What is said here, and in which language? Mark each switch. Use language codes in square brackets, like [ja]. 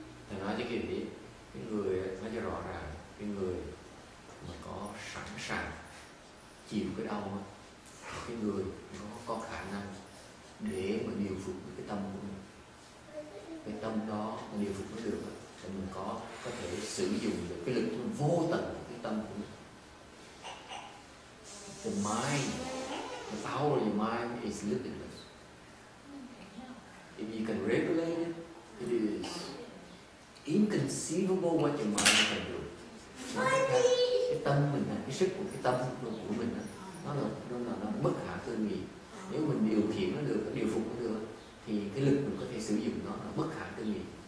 [vi] Thầy nói cho quý vị, cái người nói cho rõ ràng, cái người mà có sẵn sàng chịu cái đau, cái người nó có khả năng để mà điều phục cái tâm của mình, cái tâm đó mà điều phục nó được thì mình có thể sử dụng được cái lực vô tận của cái tâm của mình. [en] The mind, the power of your mind is limitless. If you can regulate it, it is inconceivable what your mind can do. [vi] Cái tâm mình, cái sức của cái tâm của mình, nó bất khả tư nghị. Nếu mình điều khiển nó được, điều phục nó được, thì cái lực mình có thể sử dụng nó là bất khả tư nghị.